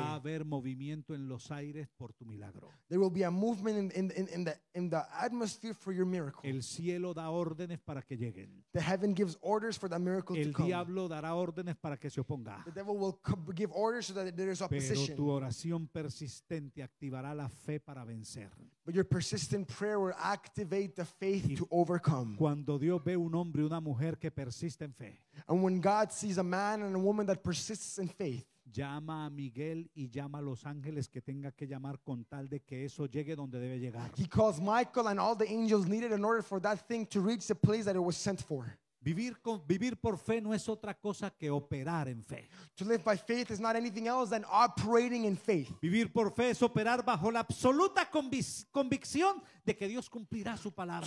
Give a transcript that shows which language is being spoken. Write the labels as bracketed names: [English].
[Spanish] va a haber movimiento en los aires por tu milagro. [English] There will be a movement in the atmosphere for your miracle. [Spanish] El cielo da órdenes para que lleguen. [English] The heaven gives orders for that miracle [Spanish] el [English] to come. [Spanish] El diablo dará órdenes para que se oponga. [English] The devil will give orders so that there is opposition. [Spanish] Pero tu oración persistente activará la fe para vencer. [English] But your persistent prayer will activate the faith to overcome. [Spanish] Cuando Dios ve un hombre y una mujer que persiste en fe, [English] and when God sees a man and a woman that persists in faith, [Spanish] llama a Miguel y llama a los ángeles que tenga que llamar con tal de que eso llegue donde debe llegar. [English] He calls Michael and all the angels needed in order for that thing to reach the place that it was sent for. [Spanish] Vivir por fe no es otra cosa que operar en fe. [English] To live by faith is not anything else than operating in faith. [Spanish] Vivir por fe es operar bajo la absoluta convicción de que Dios cumplirá su palabra.